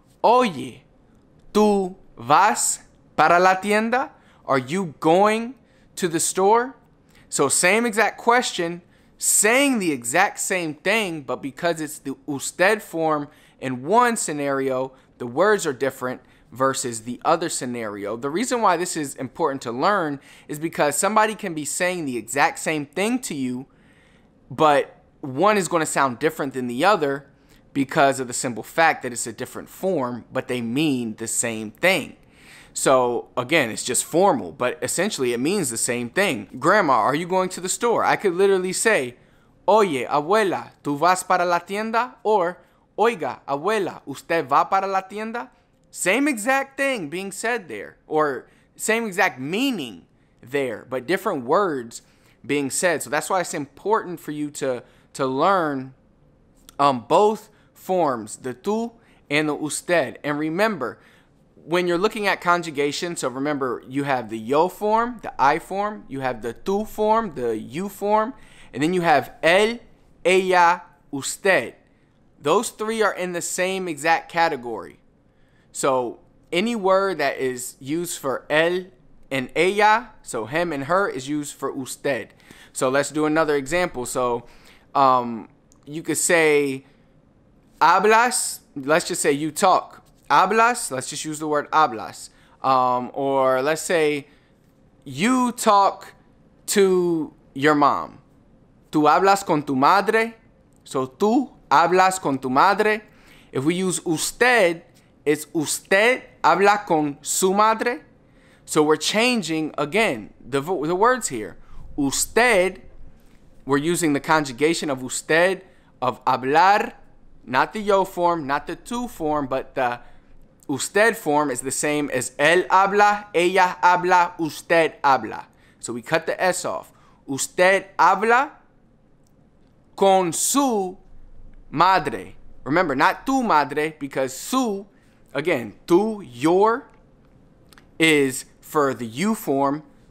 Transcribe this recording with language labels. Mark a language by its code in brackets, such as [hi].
[es] Oye, tú vas para la tienda? [en] Are you going to the store? So same exact question, saying the exact same thing, but because it's the usted form in one scenario, the words are different versus the other scenario. The reason why this is important to learn is because somebody can be saying the exact same thing to you, but one is going to sound different than the other, because of the simple fact that it's a different form, but they mean the same thing. So again, it's just formal, but essentially it means the same thing. Grandma, are you going to the store? I could literally say, [es] oye, abuela, ¿tú vas para la tienda? Or, oiga, abuela, ¿usted va para la tienda? [en] Same exact thing being said there, or same exact meaning there, but different words being said. So that's why it's important for you to learn both forms, the tú and the usted. And remember, when you're looking at conjugation, so remember, you have the yo form, the I form, you have the tú form, the you form, and then you have él, ella, usted. Those three are in the same exact category. So any word that is used for él and ella, so him and her, is used for usted. So let's do another example. So you could say, hablas, let's just say you talk. Hablas, let's just use the word hablas. Or let's say you talk to your mom. [es] Tú hablas con tu madre. So tú hablas con tu madre. [en] If we use usted, it's [es] usted habla con su madre. [en] So we're changing, again, the words here. Usted, we're using the conjugation of usted, of hablar. Not the yo form, not the tú form, but the usted form is the same as [es] él habla, ella habla, usted habla. [en] So we cut the S off. [es] Usted habla con su madre. [en] Remember, not [es] tu madre, [en] because su, again, tu, your, is for the you form.